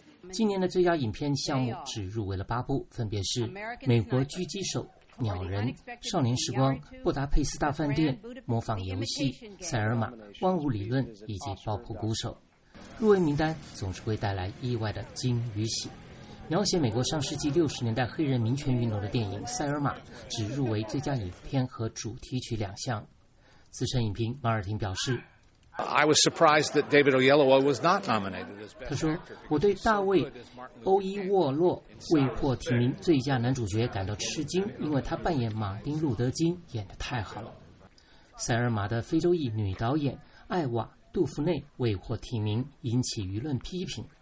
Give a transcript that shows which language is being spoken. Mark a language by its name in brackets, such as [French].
[Chinese] 今年的最佳影片项目只入围了8部，分别是《美国狙击手》、鸟人、少年时光、布达佩斯大饭店、模仿游戏、塞尔玛、万物理论以及爆破鼓手。入围名单总是会带来意外的惊与喜。描写美国上世纪60年代黑人民权运动的电影塞尔玛只入围最佳影片和主题曲2项。资深影评马尔廷表示， [English] I was surprised that David Oyelowo was not nominated. [Chinese] 他说，我对大卫·欧伊沃洛未获提名最佳男主角感到吃惊，因为他扮演马丁·路德·金演得太好了。塞尔玛的非洲裔女导演艾瓦·杜夫内未获提名，引起舆论批评。